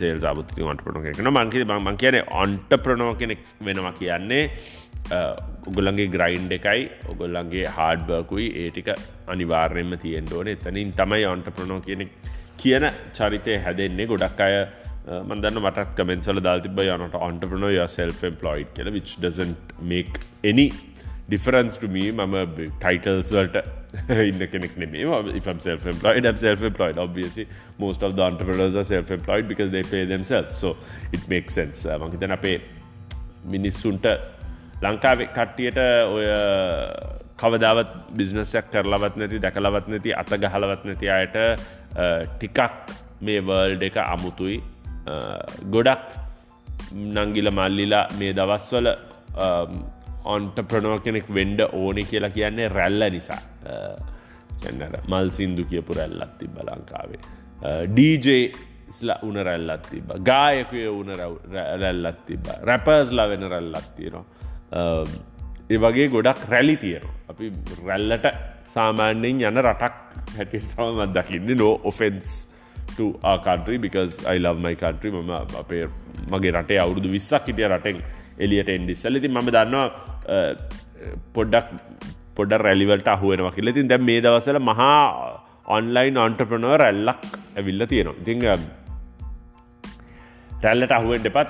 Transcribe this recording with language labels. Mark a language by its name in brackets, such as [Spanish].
[Sinhala] Sales ආපු තිබ්බ ඔන්ටර්ප්‍රනෝ කෙනෙක් නෝ මං කියන්නේ ඔන්ටර්ප්‍රනෝ කෙනෙක් වෙනවා කියන්නේ ඔගොල්ලන්ගේ ග්‍රයින්ඩ් එකයි ඔගොල්ලන්ගේ හාඩ් වර්කුයි ඒ ටික අනිවාර්යයෙන්ම තියෙන්න ඕනේ. එතනින් තමයි ඔන්ටර්ප්‍රනෝ කියන චරිතය හැදෙන්නේ. ගොඩක් අය මම දන්න මටත් කමෙන්ට්ස් වල දාලා තිබ්බා [English] yeah not entrepreneur yeah self employed [Sinhala] කියලා [English] which doesn't make any difference to me. [Sinhala] මම ටයිටල්ස් වලට ඉන්න කෙනෙක් නෙමෙයි. [English] if I'm self employed I'm self employed obviously most of the entrepreneurs are self employed because they pay themselves so it makes sense. [Sinhala] මං හිතන්නේ අපේ මිනිස්සුන්ට ලංකාවේ කට්ටියට ඔය කවදාවත් බිස්නස් එකක් කරලවත් නැති දැකලවත් නැති අත ගහලවත් නැති අයට ටිකක් මේ වර්ල්ඩ් එක අමුතුයි. ගොඩක් නංගිල මල්ලිලා මේ දවස්වල ඔන්ටර්ප්‍රනෝර් කෙනෙක් වෙන්න ඕනේ කියලා කියන්නේ රැල්ල නිසා. චෙන්නර මල් සින්දු කියපු රැල්ලක් තිබ්බා ලංකාවේ. ඩීජේ ස්ලා උන රැල්ලක් තිබ්බා. ගායකයෝ උන රැල්ලක් තිබ්බා. රැපර්ස්ලා වෙන රැල්ලක් තියෙනවා. ඒ වගේ ගොඩක් රැලි තියෙනවා. අපි රැල්ලට සාමාන්‍යයෙන් යන රටක් හැටියට තමයි මම දකින්නේ. [English] No offense to our country because I love my country. [Sinhala] මම අපේ මගේ රටේ අවුරුදු 20ක් හිටිය රටෙන් එළියට එන්න ඉස්සෙල්ලා ඉතින් මම දන්නවා පොඩ්ඩක් පොඩ්ඩක් රැලි වලට අහු වෙනවා කියලා. ඉතින් දැන් මේ දවස්වල මහා ඔන්ලයින් ඔන්ටර්ප්‍රනර් රැල්ලක් ඇවිල්ලා තියෙනවා. ඉතින් රැල්ලට අහු වෙන්න එපා.